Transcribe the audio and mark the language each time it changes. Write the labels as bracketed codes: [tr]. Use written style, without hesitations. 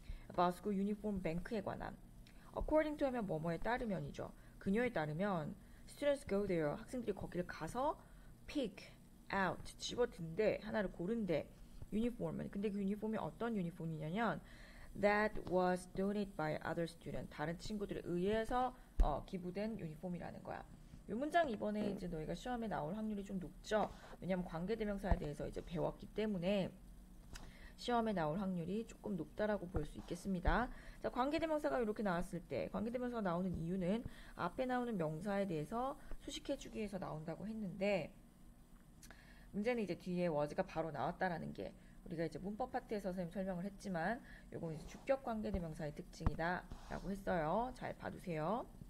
[en] about school uniform bank에 관한. [ko] according to 하면 뭐뭐에 따르면이죠. 그녀에 따르면 [en] students go there. [ko] 학생들이 거기를 가서 [en] pick out, [ko] 집어든대. 하나를 고른대. uniform은. 근데 그 유니폼이 어떤 유니폼이냐면 [en] that was donated by other students. [ko] 다른 친구들에 의해서 기부된 유니폼이라는 거야. 이 문장 이번에 이제 너희가 시험에 나올 확률이 좀 높죠? 왜냐면 관계대명사에 대해서 이제 배웠기 때문에 시험에 나올 확률이 조금 높다라고 볼수 있겠습니다. 자, 관계대명사가 이렇게 나왔을 때, 관계대명사가 나오는 이유는 앞에 나오는 명사에 대해서 수식해주기 위해서 나온다고 했는데, 문제는 이제 뒤에 was가 바로 나왔다라는 게, 우리가 이제 문법 파트에서 선생님 설명을 했지만 요건 이제 주격 관계대명사의 특징이다라고 했어요. 잘 봐두세요.